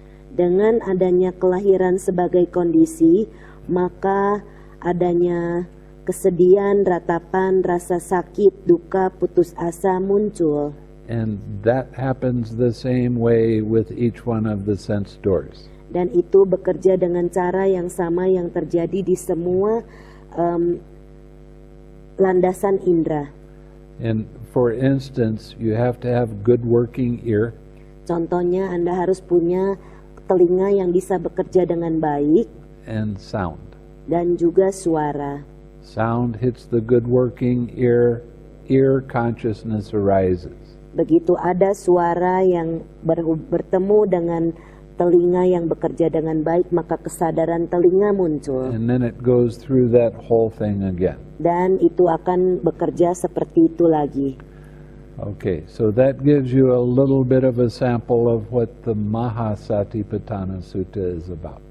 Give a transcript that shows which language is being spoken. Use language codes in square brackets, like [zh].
[id] Dengan adanya kelahiran sebagai kondisi, maka adanya kesedihan, ratapan, rasa sakit, duka, putus asa muncul. [en] And that happens the same way with each one of the sense doors. [id] Dan itu bekerja dengan cara yang sama yang terjadi di semua landasan indera. [en] And for instance, you have to have good working ear. [id] Contohnya, Anda harus punya telinga yang bisa bekerja dengan baik. [en] And sound. [id] Dan juga suara. [en] Sound hits the good working ear, ear consciousness arises. [id] Begitu ada suara yang bertemu dengan telinga yang bekerja dengan baik, maka kesadaran telinga muncul. [en] And then it goes through that whole thing again. [id] Dan itu akan bekerja seperti itu lagi. [en] Okay, so that gives you a little bit of a sample of what the Mahasatipatthana Sutta is about.